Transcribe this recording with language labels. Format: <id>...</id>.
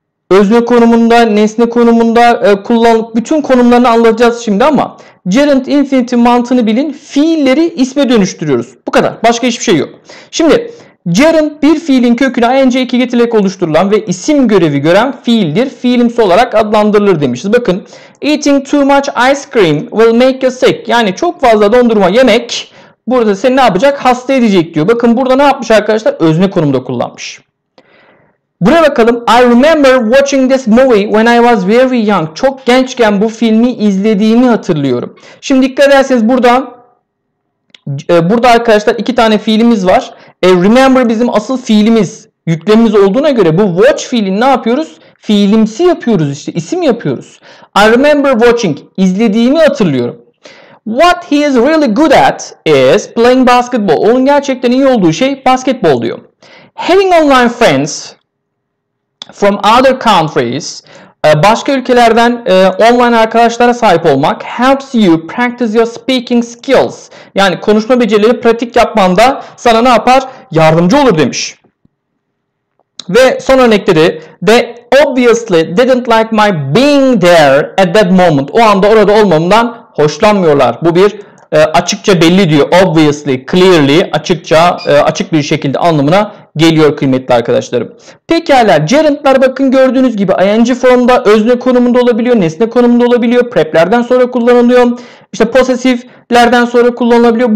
<tr>Özne konumunda, nesne konumunda kullanılıp bütün konumlarını anlatacağız şimdi ama gerund infinity mantığını bilin. Fiilleri isme dönüştürüyoruz. Bu kadar. Başka hiçbir şey yok. Şimdi gerund bir fiilin köküne ing eki getirerek oluşturulan ve isim görevi gören fiildir. Fiilimsi olarak adlandırılır demişiz.</tr> <en>Bakın, eating too much ice cream will make you sick.</en> <tr>Yani çok fazla dondurma yemek burada seni ne yapacak? Hasta edecek diyor. Bakın burada ne yapmış arkadaşlar? Özne konumda kullanmış. Buraya bakalım.</tr> <en>I remember watching this movie when I was very young.</en> <tr>Çok gençken bu filmi izlediğimi hatırlıyorum. Şimdi dikkat ederseniz burada arkadaşlar iki tane fiilimiz var. Remember bizim asıl fiilimiz, yüklemimiz olduğuna göre bu watch fiilini ne yapıyoruz? Fiilimsi yapıyoruz işte, isim yapıyoruz.</tr> <en>I remember watching,</en> <tr>izlediğimi hatırlıyorum.</tr> <en>What he is really good at is playing basketball.</en> <tr>Onun gerçekten iyi olduğu şey basketbol diyor.</tr> <en>Having online friends from other countries,</en> <tr>başka ülkelerden online arkadaşlara sahip olmak</tr> <en>helps you practice your speaking skills.</en> <tr>Yani konuşma becerileri pratik yapmanda sana ne yapar? Yardımcı olur demiş. Ve son örnekleri.</tr> <en>They obviously didn't like my being there at that moment.</en> <tr>O anda orada olmamdan hoşlanmıyorlar. Bu bir açıkça belli diyor. Obviously, clearly, açıkça, açık bir şekilde anlamına geliyor kıymetli arkadaşlarım. Pekala, gerundlar bakın gördüğünüz gibi ing formda, özne konumunda olabiliyor, nesne konumunda olabiliyor, preplerden sonra kullanılıyor, işte possessive'lerden sonra kullanılabiliyor.</tr>